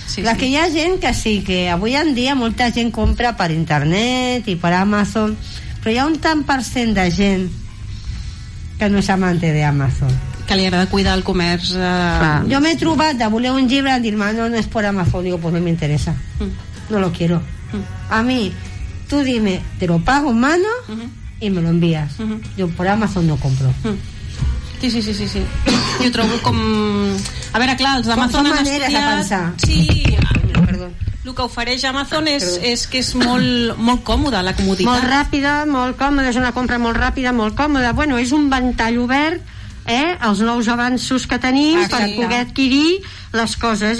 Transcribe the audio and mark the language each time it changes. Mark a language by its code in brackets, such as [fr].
[ca] Sí, la que hi ha gent que sí, que avui en dia molta gent compra per internet i per Amazon, però hi ha un tant % de gent que no és amant d'Amazon. Que li agrada cuidar el comerç. Jo m'he trobat de voler un llibre i dir-me: no és per Amazon. [es] Digo: pues no [ca] m'interessa. [es] No lo quiero. A mi, tu dime, te lo pago en mano y me lo envías. Yo por Amazon no compro. [ca] Sí. Jo trobo com... A veure, clar, els d'Amazon... Com són maneres de pensar. Sí, el que ofereix Amazon és que és molt, molt còmode, la comoditat. Molt ràpida, molt còmode, és una compra molt ràpida, molt còmoda. Bueno, és un ventall obert, els nous avanços que tenim, sí, per poder adquirir les coses.